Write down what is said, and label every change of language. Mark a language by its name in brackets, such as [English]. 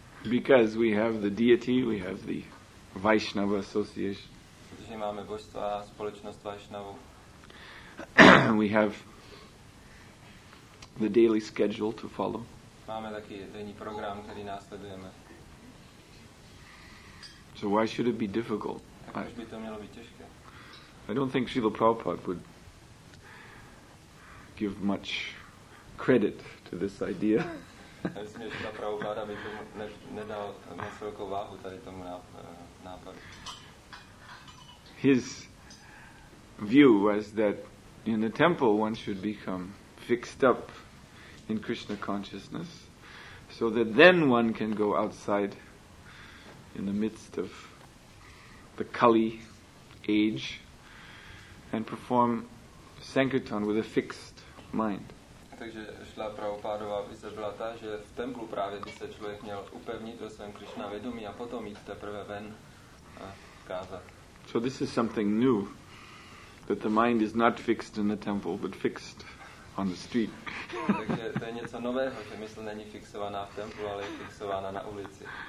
[English] Because we have the deity, we have the Vaishnava association. [Czech] Protože máme božstva, společnost Vaishnavu. [English] We have the daily schedule to follow. [Czech] Máme taky denní program, který následujeme. [English] So why should it be difficult? [Czech] Proč by to mělo být těžké? [English] I don't think Srila Prabhupada would give much credit to this idea. [Czech] Myslím, že Srila Prabhupada by tomu nedal moc velkou váhu tady tomu nápadu. [English] His view was that in the temple one should become fixed up in Krishna consciousness so that then one can go outside in the midst of the Kali age and perform Sankirtan with a fixed mind. [Czech] Takže šla Prabhupádova vize byla ta, že v templu právě by se člověk měl upevnit ve svém Krishna vědomí a potom jít teprve ven a kázat. [English] So this is something new, that the mind is not fixed in the temple, but fixed on the street. [Czech] Takže to je něco nového, že mysl není fixovaná v templu, ale je fixovaná na ulici.